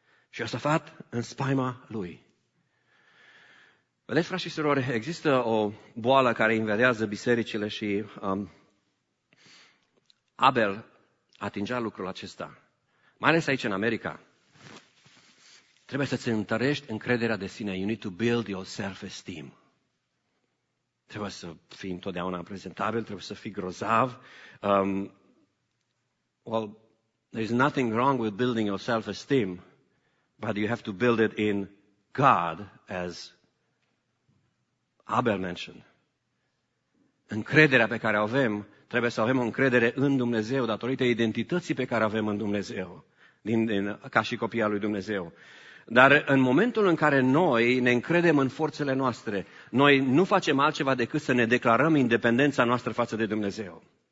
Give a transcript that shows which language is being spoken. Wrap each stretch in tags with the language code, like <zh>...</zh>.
<ro>Și Iosafat în spaima lui. Vedeți, frați și surori, există o boală care invadează bisericile și Abel atingea lucrul acesta. Mai ales aici în America. Trebuie să-ți întărești încrederea de sine.</ro> <en>You need to build your self-esteem.</en> <ro>Trebuie să fii întotdeauna prezentabil, trebuie să fii grozav.</ro> <en>Well, there is nothing wrong with building your self-esteem, but you have to build it in God, as Abel mentioned.</en> <ro>Încrederea pe care o avem, trebuie să avem o încredere în Dumnezeu datorită identității pe care o avem în Dumnezeu, ca și copii al lui Dumnezeu. Dar în momentul în care noi ne încredem în forțele noastre, noi nu facem altceva decât să ne declarăm independența noastră față de Dumnezeu.</ro>